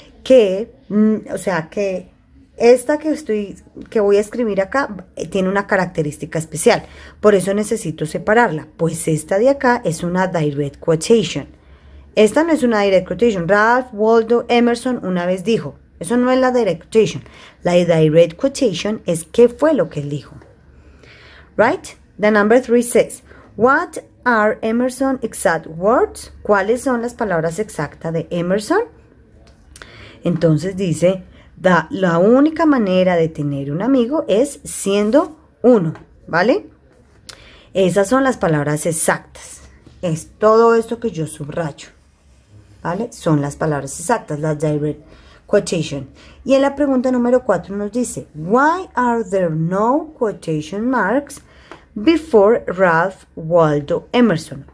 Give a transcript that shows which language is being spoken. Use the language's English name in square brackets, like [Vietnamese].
[Spanish] Que, o sea, que esta que voy a escribir acá tiene una característica especial. Por eso necesito separarla. Pues esta de acá es una direct quotation. Esta no es una direct quotation. Ralph Waldo Emerson una vez dijo. Eso no es la direct quotation. La direct quotation es qué fue lo que él dijo. [English] ¿Right? The number three says, what are Emerson exact words? [Spanish] ¿Cuáles son las palabras exactas de Emerson? Entonces dice, la única manera de tener un amigo es siendo uno, ¿vale? Esas son las palabras exactas. Es todo esto que yo subrayo, ¿vale? Son las palabras exactas, la direct quotation. Y en la pregunta número cuatro nos dice, [English] why are there no quotation marks before Ralph Waldo Emerson?